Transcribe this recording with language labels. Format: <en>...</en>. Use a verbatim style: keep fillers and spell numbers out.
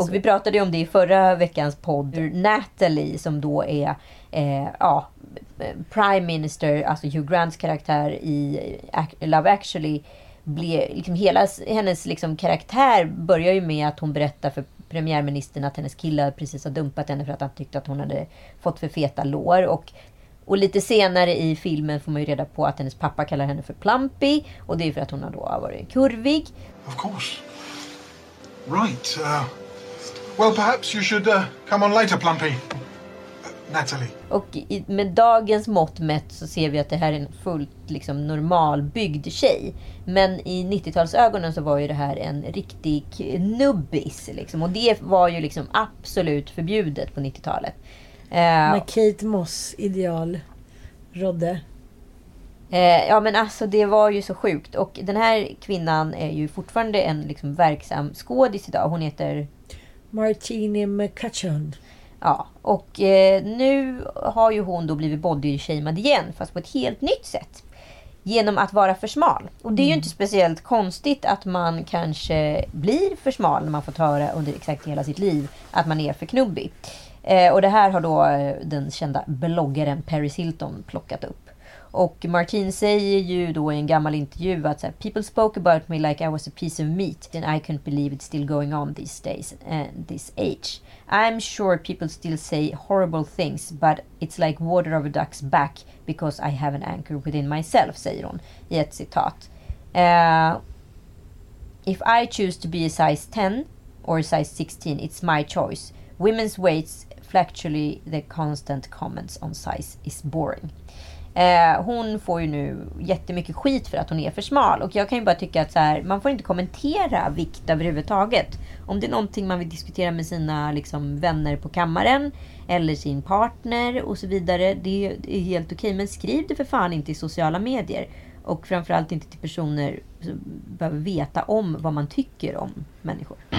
<sv>Och vi pratade ju om det i förra veckans podd, Natalie, som då är eh, ja, Prime Minister, alltså Hugh Grants karaktär i Love actually, blev, liksom hela hennes liksom karaktär börjar ju med att hon berättar för premiärministern att hennes kille precis har dumpat henne för att han tyckte att hon hade fått för feta lår. Och, och lite senare i filmen får man ju reda på att hennes pappa kallar henne för plumpy, och det är för att hon har då varit kurvig.</sv> <en>Of course. Right. Uh, well, perhaps you should uh, come on later, plumpy. Uh, Natalie.</en> <sv>Och i, med dagens mått mätt så ser vi att det här är en fullt liksom normalbyggd tjej. Men i nittiotalsögonen så var ju det här en riktig nubbis liksom. Och det var ju liksom absolut förbjudet på nittiotalet. Eh, Med Kate Moss ideal rådde. Eh, ja men alltså det var ju så sjukt. Och den här kvinnan är ju fortfarande en liksom verksam skådis idag. Hon heter Martine McCutcheon. Ja, och eh, nu har ju hon då blivit bodyshamed igen, fast på ett helt nytt sätt. Genom att vara för smal. Och det är ju mm. inte speciellt konstigt att man kanske blir för smal när man får höra under exakt hela sitt liv att man är för knubbig. Eh, och det här har då eh, den kända bloggaren Paris Hilton plockat upp. Och Martine säger ju då i en gammal intervju att så här,</sv> <en>people spoke about me like I was a piece of meat and I couldn't believe it's still going on these days and this age. I'm sure people still say horrible things, but it's like water over duck's back because I have an anchor within myself,</en> <sv>säger hon i ett citat.</sv> <en>Uh, if I choose to be a size ten or a size sixteen, it's my choice. Women's weights fluctuate, the constant comments on size is boring.</en> <sv>Eh, hon får ju nu jättemycket skit för att hon är för smal. Och jag kan ju bara tycka att så här, man får inte kommentera vikt överhuvudtaget. Om det är någonting man vill diskutera med sina liksom, vänner på kammaren eller sin partner och så vidare, det är helt okej. Men skriv det för fan inte i sociala medier. Och framförallt inte till personer som behöver veta om vad man tycker om människor.</sv>